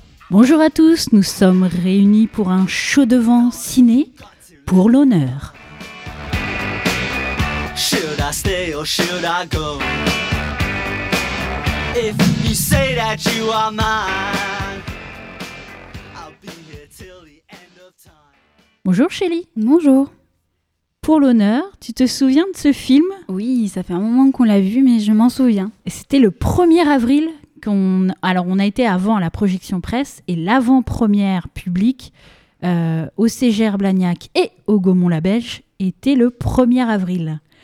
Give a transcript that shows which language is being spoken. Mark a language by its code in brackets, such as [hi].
[fr] Bonjour à tous, nous sommes réunis pour un show devant ciné pour l'honneur. [en] Should I stay or should I go? If you say that you are mine, I'll be here till the end of time. [fr] Bonjour Shelley. Bonjour. Pour l'honneur, tu te souviens de ce film? Oui, ça fait un moment qu'on l'a vu, mais je m'en souviens. Et c'était le 1er avril qu'on... Alors, on a été avant la projection presse et l'avant-première publique au CGR Blagnac et au Gaumont-la-Belge était le 1er avril.